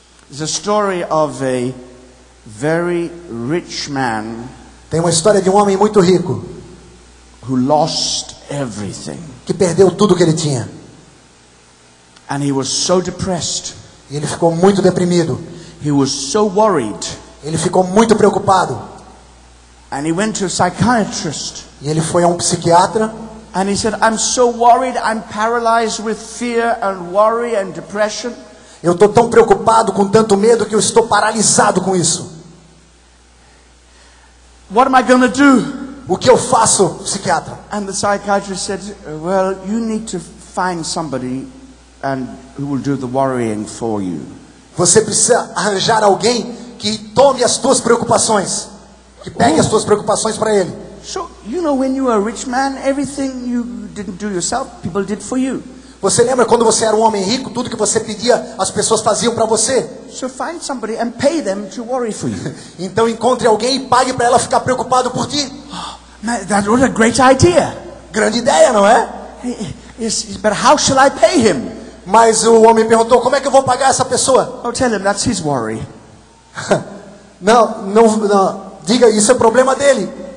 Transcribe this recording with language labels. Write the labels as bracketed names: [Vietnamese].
[English] It's a story of a very rich man. [Portuguese] Tem uma história de um homem muito rico. [English] Who lost everything. [Portuguese] Que perdeu tudo que ele tinha. [English] And he was so depressed. [Portuguese] Ele ficou muito deprimido. [English] He was so worried. [Portuguese] Ele ficou muito preocupado. [English] And he went to a psychiatrist. [Portuguese] E ele foi a um psiquiatra. [English] And he said, "I'm so worried, I'm paralyzed with fear and worry and depression." [Portuguese] Eu estou tão preocupado com tanto medo que eu estou paralisado com isso. [English] What am I gonna do? [Portuguese] O que eu faço, psiquiatra? [English] And the psychiatrist said, "Well, you need to find somebody and who will do the worrying for you." [Portuguese] Você precisa arranjar alguém que tome as suas preocupações, que pegue as suas preocupações para ele. [English] So, you know, when you were a rich man, everything you didn't do yourself, people did for you. [Portuguese] Você lembra quando você era um homem rico, tudo que você pedia, as pessoas faziam para você? [English] So find somebody and pay them to worry for you. [Portuguese] Então encontre alguém e pague para ela ficar preocupado por ti. [English] Oh, that was a great idea. [Portuguese] Grande ideia, não é? [English] Yes, but how shall I pay him? [Portuguese] Mas o homem perguntou, como é que eu vou pagar essa pessoa? [English] Oh, tell him that's his worry. [Portuguese] Não, diga, isso é problema dele.